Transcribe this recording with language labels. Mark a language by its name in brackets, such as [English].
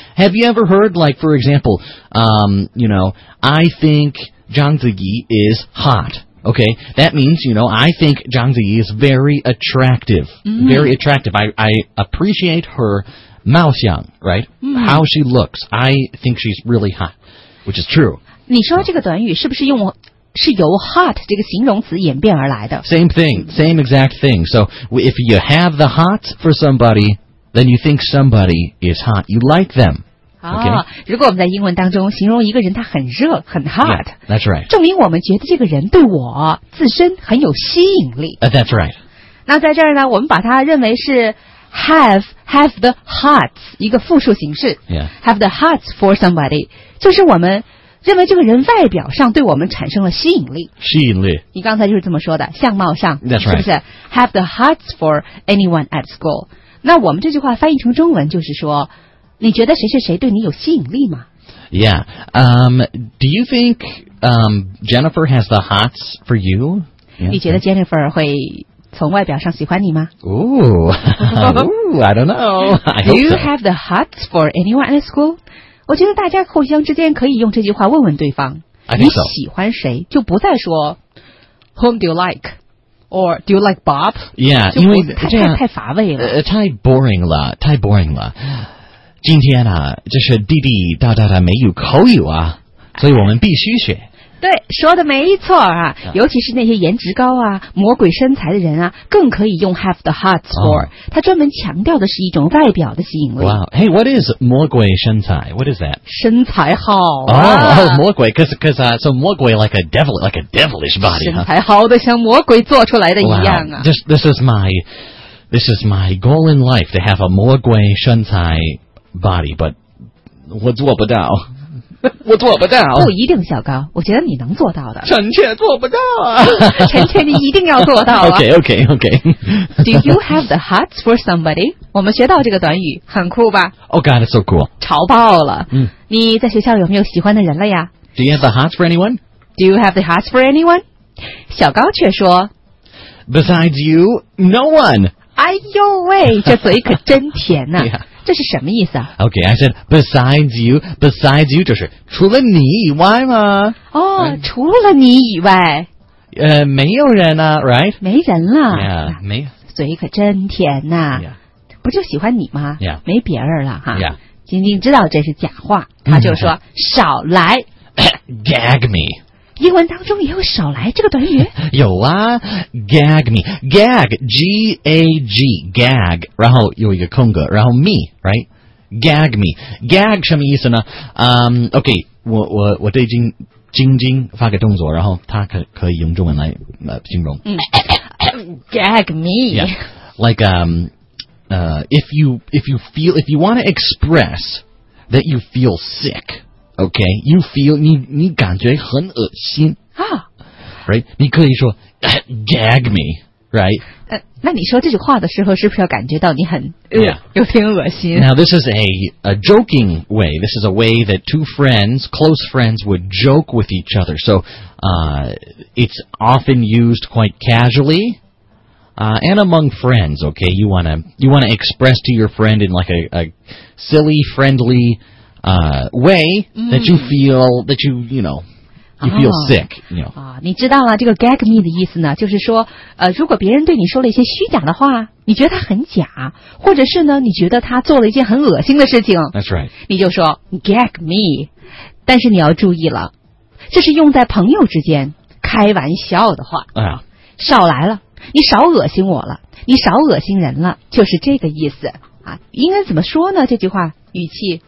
[English] Have you ever heard, like, for example, I think Zhang Ziyi is hot, okay? That means, you know, I think Zhang Ziyi is very attractive, mm-hmm. very attractive. I appreciate her Maoxiang, right? Mm-hmm. How she looks. I think she's really hot, which is true. [Chinese] 你说这个短语是不是用我是由 hot 这个形容词演变而来的 [English] Same thing, same exact thing. So if you have the hots for somebody, then you think somebody is hot. You like them. Okay? [Chinese] 如果我们在英文当中形容一个人他很热很 hot, [English] yeah, that's right. [Chinese] 证明我们觉得这个人对我自身很有吸引力 [English] That's right. [Chinese] 那在这儿呢我们把它认为是have the hots, 一个复数形式、 [English] yeah. Have the hots for somebody, [Chinese] 就是我们认为这个人外表上对我们产生了吸引力。吸引力。你刚才就是这么说的，相貌上。 [English] That's right. 是不是 ?Have the hots for anyone at school. [Chinese] 那我们这句话翻译成中文就是说，你觉得谁是谁对你有吸引力吗 [English] ?Yeah. Do you think, Jennifer has the hots for you? Yeah, [Chinese] 你觉得 Jennifer 会从外表上喜欢你吗 [English] ?Ooh. I don't know. Do you have the hots for anyone at school? [Chinese] 我觉得大家互相之间可以用这句话问问对方、 [English] so. [Chinese] 你喜欢谁就不再说 [English] Whom do you like? Or do you like Bob? Yeah, [Chinese] 因为太乏味了、太 boring 了太 boring 了今天啊这是滴滴答答的没有口语啊所以我们必须学对说的没错啊尤其是那些颜值高啊魔鬼身材的人啊更可以用 have the hots for、 oh. 他专门强调的是一种外表的吸引力 [English] Wow, hey, what is 魔鬼身材 What is that? [Chinese] 身材好啊 [English] oh, 魔鬼 Because、so、魔鬼 like a devil, like a devilish body [Chinese] 身材好的像魔鬼做出来的一样啊 [English] wow, this is my goal in life to have a 魔鬼身材 body but [Chinese] 我做不到我做不到不一定小高我觉得你能做到的臣妾做不到啊臣妾你一定要做到、啊、 [English] OK OK OK Do you have the hots for somebody? [Chinese] 我们学到这个短语很酷吧 [English] Oh God it's so cool [Chinese] 潮爆了、嗯、你在学校有没有喜欢的人了呀 [English] Do you have the hots for anyone? Do you have the hots for anyone? [Chinese] 小高却说 [English] Besides you, no one [Chinese] 哎呦喂，这嘴可真甜呐、啊！这是什么意思啊 [English] ？OK, I said besides you, besides you [Chinese] 就是除了你以外吗？哦、oh, 嗯，除了你以外，没有人啊 ，right？没人了， yeah, 没。嘴可真甜呐、啊！ [English] Yeah. [Chinese] 不就喜欢你吗？ [English] Yeah. [Chinese] 没别人了哈。 [English] Yeah. [Chinese] 晶晶知道这是假话，他就说、mm-hmm. 少来 [English] ，gag me。 [Chinese] 英文当中也有少来这个短语，有啊 ，gag me, gag, g a g, gag, 然后有一个空格，然后 me, right, gag me, gag 什么意思呢？ OK, 我对晶晶发个动作，然后他可以用中文来形容、 [English] gag me, yeah, like if you want to express that you feel sick. Okay, you feel, [Chinese] 你感觉很恶心啊、 [English] right? [Chinese] 你可以说 [English] gag me, right? [Chinese] 那你说这句话的时候是不是要感觉到你很、 [English] yeah. [Chinese] 有点恶心 [English] Now this is a joking way. This is a way that two friends, close friends would joke with each other. So it's often used quite casually、and among friends, okay? You want to express to your friend in like a silly, friendlyway that you feel that you know you feel sick you know [Chinese] 你知道了这个 gag me 的意思呢就是说如果别人对你说了一些虚假的话你觉得他很假或者是呢你觉得他做了一件很恶心的事情 [English] That's right [Chinese] 你就说 gag me 但是你要注意了这是用在朋友之间开玩笑的话、少来了你少恶心我了你少恶心人了就是这个意思应该怎么说呢这句话语气